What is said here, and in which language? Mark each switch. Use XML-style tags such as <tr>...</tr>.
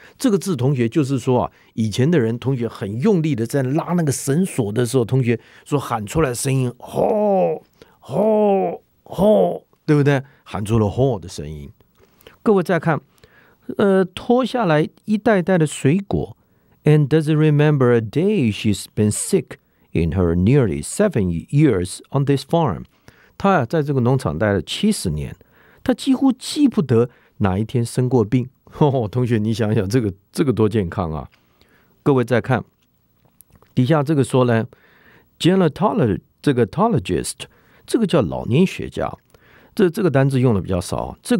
<zh>这个字同学就是说啊，以前的人同学很用力的在拉那个绳索的时候，同学说喊出来声音 hoe， 对不对？喊出了 hoe 的声音。各位再看，拖下来一袋袋的水果。</zh> <en>And doesn't remember a day she's been sick in her nearly 7 years on this farm。</en> <zh>他在这个农场待了70年，他几乎记不得哪一天生过病。同学你想想，这个多健康啊。各位再看底下这个说呢， Gerontologist， 这个叫老年学家，这个单字用的比较少。</zh>